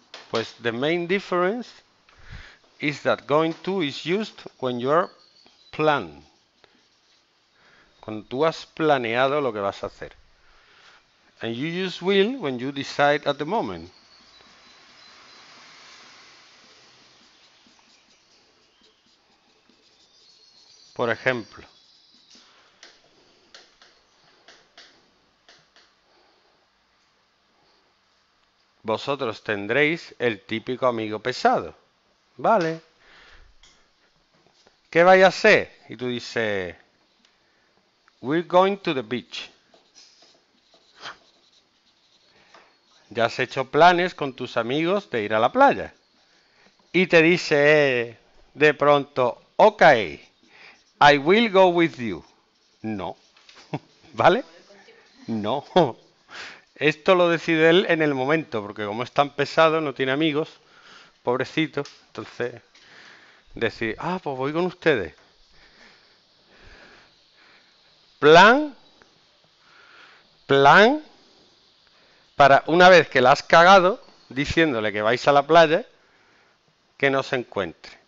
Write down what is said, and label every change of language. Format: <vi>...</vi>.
<en>Pues the main difference is that going to is used when you are plan.</en> <es>Cuando tú has planeado lo que vas a hacer.</es> <en>And you use will when you decide at the moment.</en> <es>Por ejemplo, vosotros tendréis el típico amigo pesado, ¿vale? ¿Qué vais a hacer? Y tú dices,</es> <en>we're going to the beach.</en> <es>Ya has hecho planes con tus amigos de ir a la playa. Y te dice de pronto,</es> <en>ok, I will go with you.</en> <es>No. ¿Vale? No. Esto lo decide él en el momento, porque como es tan pesado, no tiene amigos, pobrecito. Entonces, decide, ah, pues voy con ustedes. Plan. Plan. Para una vez que la has cagado, diciéndole que vais a la playa, que no se encuentre.</es>